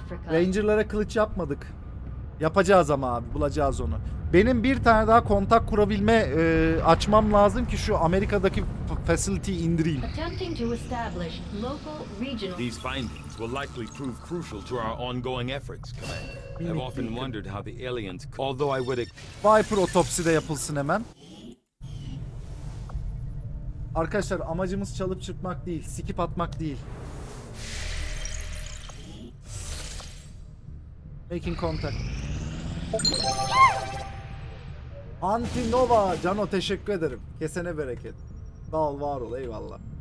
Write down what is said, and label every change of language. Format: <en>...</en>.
<tr>Ranger'lara kılıç yapmadık. Yapacağız ama abi, bulacağız onu. Benim bir tane daha kontak kurabilme açmam lazım ki şu Amerika'daki facility'yi indireyim.</tr> <en>These findings will likely prove crucial to our ongoing efforts, Commander. I've often wondered how the aliens, although I would...</en> <tr>Viper otopsi de yapılsın hemen. Arkadaşlar, amacımız çalıp çırpmak değil, skip atmak değil.</tr> <en>Making contact.</en> <tr>Anti Nova, Cano teşekkür ederim. Kesene bereket. Sağ ol, var ol, eyvallah.</tr>